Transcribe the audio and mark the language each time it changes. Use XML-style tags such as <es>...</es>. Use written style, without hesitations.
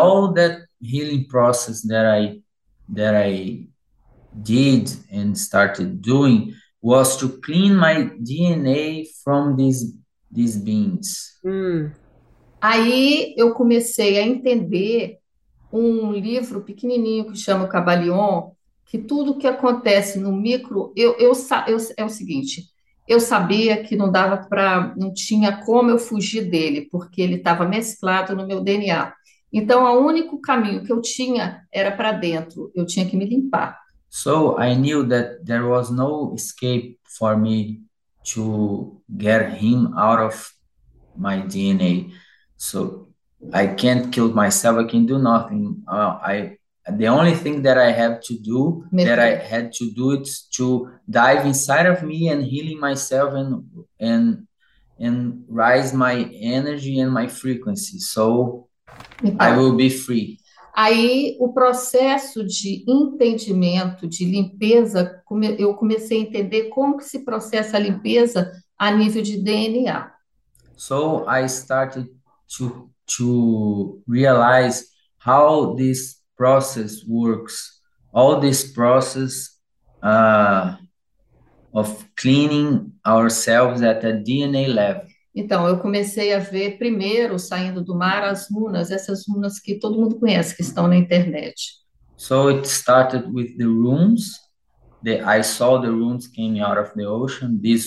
<en>all that healing process that I did and started doing was to clean my DNA from these beings.</en> <pt>Aí eu comecei a entender um livro pequenininho que chama o Kabbalion, que tudo que acontece no micro, é o seguinte, eu sabia que não dava para, não tinha como eu fugir dele, porque ele estava mesclado no meu DNA. Então, o único caminho que eu tinha era para dentro, eu tinha que me limpar.</pt> <en>So I knew that there was no escape for me to get him out of my DNA. So I can't kill myself. I can do nothing. The only thing that I have to do, that I</en> <pt>Metal.</pt> <en>had to do, it to dive inside of me and healing myself and rise my energy and my frequency. So I</en> <pt>Então,</pt> <en>will be free.</en> <pt>aí o processo de entendimento, de limpeza, eu comecei a entender como que se processa a limpeza a nível de DNA.</pt> <en>So I started to realize how this process works. All this process of cleaning ourselves at the DNA level.</en> <pt>Então, eu comecei a ver primeiro, saindo do mar, as runas, essas runas que todo mundo conhece, que estão na internet.</pt> <en>So it started with the runes. I saw the runes came out of the ocean.</en>